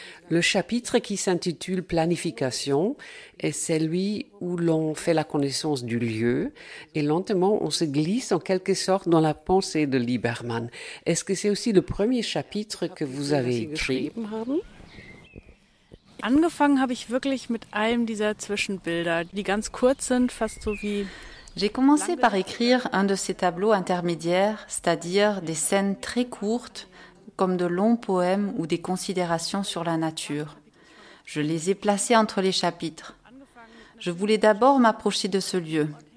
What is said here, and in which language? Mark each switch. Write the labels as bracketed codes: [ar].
[fr] Le chapitre qui s'intitule « Planification » est celui où l'on fait la connaissance du lieu et lentement on se glisse en quelque sorte dans la pensée de Liebermann. Est-ce que c'est aussi le premier chapitre que vous avez écrit? [de] Angefangen habe ich wirklich mit einem dieser Zwischenbilder, die ganz kurz sind, fast so wie... [fr] J'ai commencé par écrire un de ces tableaux intermédiaires, c'est-à-dire des scènes très courtes, comme de longs poèmes ou des considérations sur la nature. Je les ai placés entre les chapitres. Je voulais d'abord m'approcher de ce lieu.